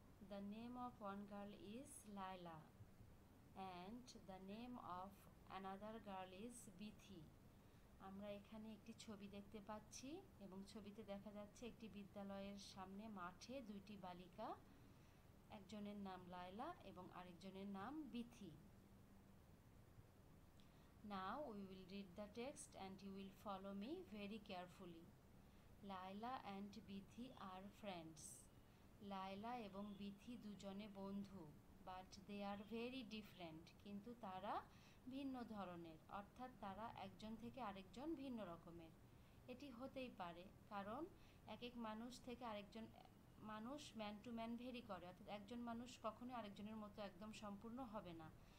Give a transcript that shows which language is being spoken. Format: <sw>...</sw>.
<en>The name of one girl is Laila. And the name of another girl is Bithi.</en> <bn>আমরা এখানে একটি ছবি দেখতে পাচ্ছি এবং ছবিতে দেখা যাচ্ছে একটি বিদ্যালয়ের সামনে মাঠে দুইটি বালিকা, একজনের নাম লায়লা এবং আরেকজনের নাম Bithi.</bn> <en>Now we will read the text and you will follow me very carefully. Laila and Bithi are friends.</en> <bn>Laila এবং বিথি দুজনে বন্ধু.</bn> <en>but they are very different,</en> <bn>কিন্তু তারা ভিন্ন ধরনের, অর্থাৎ তারা একজন থেকে আরেকজন ভিন্ন রকমের. এটি হতেই পারে কারণ এক এক মানুষ থেকে আরেকজন মানুষ</bn> <en>man to man vary</en> <bn>করে, অর্থাৎ একজন মানুষ কখনোই আরেকজনের মতো একদম সম্পূর্ণ হবে না.</bn>